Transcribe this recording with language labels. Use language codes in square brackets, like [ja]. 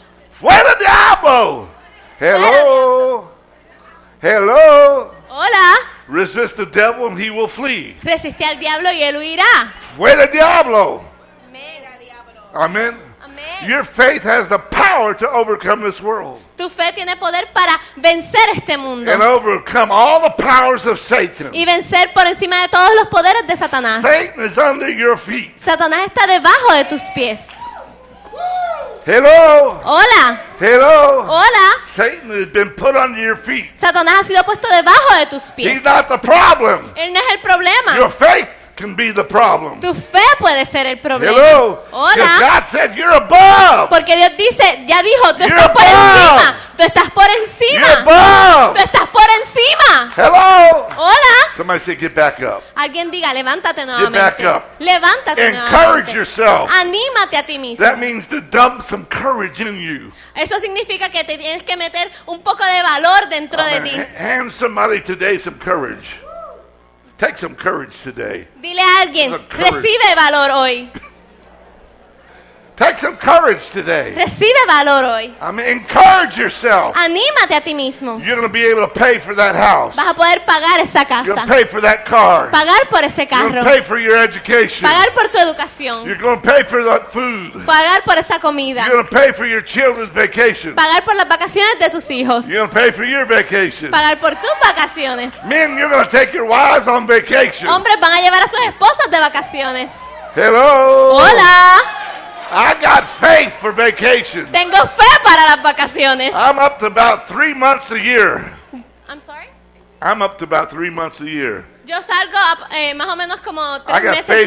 [es] Fuera diablo. [en] Hello. Hello. [es] Hola. [en] Resist the devil and he will flee. [es] Resiste al diablo y él huirá. Fuera diablo. Mega diablo. [en] Amen. [es] Amen. [en] Your faith has the power to overcome this world. [es] Tu fe tiene poder para vencer este mundo. [en] And overcome all the powers of Satan. [es] Y vencer por encima de todos los poderes de Satanás. [en] Satan is under your feet. [es] Satanás está debajo de tus pies. [en] Hello. [es] Hola. [en] Hello. [es] Hola. [en] Satan has been put under your feet. [es] Satanás ha sido puesto debajo de tus pies. [en] He's not the problem. [es] Él no es el problema. [en] Your faith can be the problem. [es] Tu fe puede ser el problema. [en] Hello. [es] Hola. [en] God said you're above. [es] Porque Dios dice, ya dijo, tú [en] you're [es] estás [en] above. [es] Por encima. Tú estás por encima. [en] You're above. [es] Tú estás por encima. [en] Hello. [es] Hola. [en] Somebody say, get back up. [es] Alguien diga, levántate nuevamente. [en] Get back up. [es] Levántate [en] Encourage Yourself. [es] Anímate a ti mismo. [en] That means to dump some courage in you. [es] Eso significa que te tienes que meter un poco de valor dentro de ti. [en] Hand somebody today some courage. Take some courage today. [es] Dile a alguien, recibe valor hoy. [en] Take some courage today. [es] Recibe valor hoy. [en] Encourage yourself. [es] Anímate a ti mismo. [en] You're going to be able to pay for that house. [es] Vas a poder pagar esa casa. [en] You're going to pay for that car. [es] Pagar por ese carro. [en] You're going to pay for your education. [es] Pagar por tu educación. [en] You're going to pay for that food. [es] Pagar por esa comida. [en] You're going to pay for your children's vacation. [es] Pagar por las vacaciones de tus hijos. [en] You're going to pay for your vacation. [es] Pagar por tus vacaciones. [en] Men, you're going to take your wives on vacation. [es] Hombres van a llevar a sus esposas de vacaciones. [en] Hello. [es] Hola. [en] I got faith for vacations. [es] Tengo fe para las vacaciones. [en] I'm up to about 3 months a year. I'm sorry? I'm up to about 3 months a year. [es] Yo salgo más o menos como tres meses fuera.